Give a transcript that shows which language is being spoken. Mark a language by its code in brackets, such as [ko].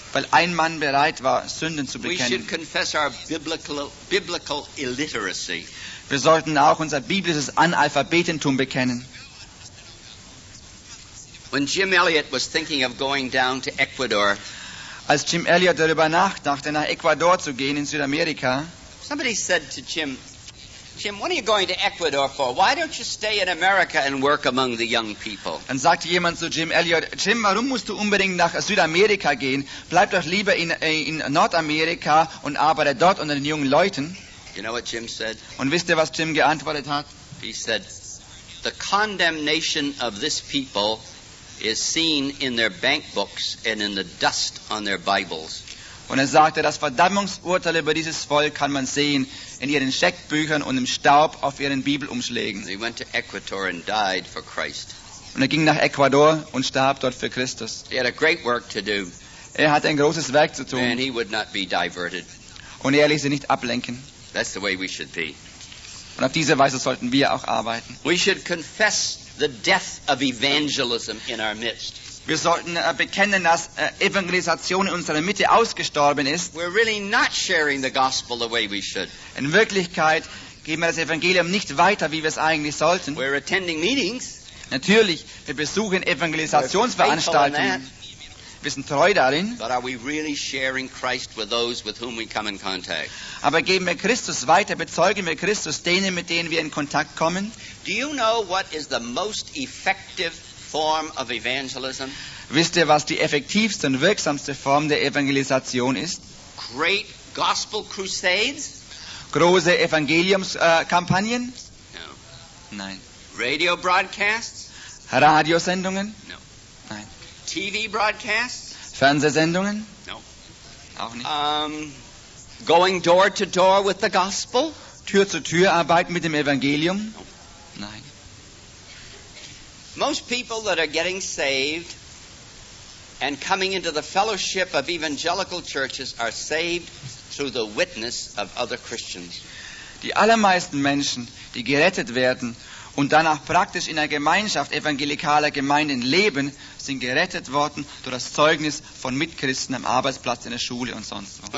[de] Weil ein Mann bereit war, Sünden zu bekennen. [en] We should confess our biblical illiteracy. [de] Wir sollten auch unser biblisches Analphabetentum bekennen. [en] When Jim Elliot was thinking of going down to Ecuador, [de] als Jim Elliot darüber nachdachte, nach Ecuador zu gehen in Südamerika, [en] somebody said to Jim, "Jim, what are you going to Ecuador for? Why don't you stay in America and work among the young people?" [de] Dann sagte jemand zu Jim Elliot, "Jim, warum musst du unbedingt nach Südamerika gehen? Bleib doch lieber in Nordamerika und arbeite dort unter den jungen Leuten." [en] You know what Jim said? [de] Und wisst ihr, was Jim geantwortet hat? [en] He said, "The condemnation of this people is seen in their bank books and in the dust on their Bibles." [de] Und er sagte, das Verdammungsurteil über dieses Volk kann man sehen in ihren Scheckbüchern und im Staub auf ihren Bibelumschlägen. [en] He went to Ecuador and died for Christ. [de] Und er ging nach Ecuador und starb dort für Christus. [en] He had a great work to do. [de] Er hatte ein großes Werk zu tun. [en] And he would not be diverted. [de] Und er ließ sich nicht ablenken. [en] That's the way we should be. [de] Und auf diese Weise sollten wir auch arbeiten. [en] We should confess the death of evangelism in our midst. [de] Wir sollten bekennen, dass Evangelisation in unserer Mitte ausgestorben ist. [en] We're really not sharing the gospel the way we should. [de] In Wirklichkeit geben wir das Evangelium nicht weiter, wie wir es eigentlich sollten. [en] We're attending meetings. [de] Natürlich, wir besuchen Evangelisationsveranstaltungen. Wir sind treu darin. [en] But are we really sharing Christ with those with whom we come in contact? [de] Aber geben wir Christus weiter, bezeugen wir Christus denen, mit denen wir in Kontakt kommen? [en] Do you know what is the most effective form of evangelism? [de] Wisst ihr, was die effektivste und wirksamste Form der Evangelisation ist? [en] Great gospel crusades? [de] Große Evangeliumskampagnen? [en] No. [de] Nein. [en] Radio broadcasts? [de] Radiosendungen? [en] No. [de] Nein. [en] TV broadcasts? [de] Fernsehsendungen? [en] No. [de] Auch nicht. [en] Going door to door with the gospel? [de] Tür zu Tür arbeiten mit dem Evangelium? [en] No. [de] Nein. [en] Most people that are getting saved and coming into the fellowship of evangelical churches are saved through the witness of other Christians. [de] Die allermeisten Menschen, die gerettet werden und danach praktisch in einer Gemeinschaft evangelikaler Gemeinden leben, sind gerettet worden durch das Zeugnis von Mitchristen am Arbeitsplatz, in der Schule und sonst wo.